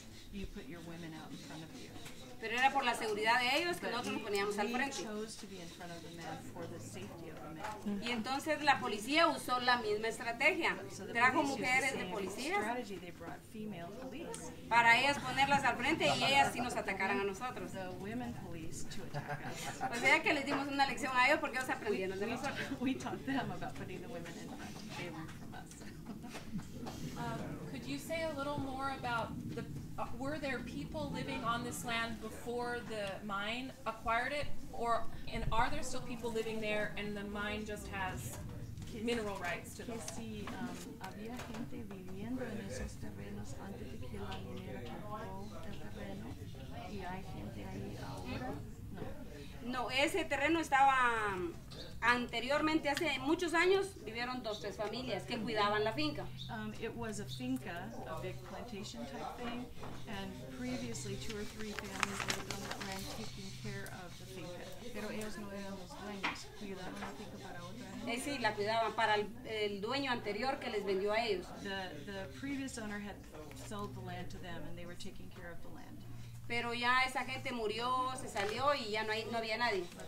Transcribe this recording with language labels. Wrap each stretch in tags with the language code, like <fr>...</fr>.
<en>You put your women out in front of you.</en> <es>Pero era por la seguridad de ellos que nosotros nos poníamos al frente.</es> <en>Chose to be in front of the men for the safety of the men.</en> <es>Y entonces la policía usó la misma estrategia. So trajo mujeres de policías.</es> <en>Strategy. They brought female police.</en> <es>Para ellas ponerlas al frente y ellas sí nos atacaran a nosotros.</es> <en>The women police to attack us.</en> <es>O sea que les dimos una lección a ellos porque ellos aprendieron de nosotros.</es> <en>We taught them about putting the women in front. They learned from us. Could you say a little more about the were there people living on this land before the mine acquired it, and are there still people living there, and the mine just has mineral rights to them?</en> <es>Sí, había gente viviendo en esos terrenos antes de que la minera compró el terreno, y hay gente ahí ahora. No, ese terreno estaba anteriormente, hace muchos años, vivieron dos, tres familias que cuidaban la finca.</es> <en>It was a finca, a big plantation type thing, and previously two or three families lived on that land taking care of the finca.</en> <es>Pero ellos no eran los dueños, cuidaban la finca para otra gente. Sí, la cuidaban para el dueño anterior que les vendió a ellos.</es> <en>The previous owner had sold the land to them and they were taking care of the land.</en> <es>Pero ya esa gente murió, se salió y ya no había nadie.</es>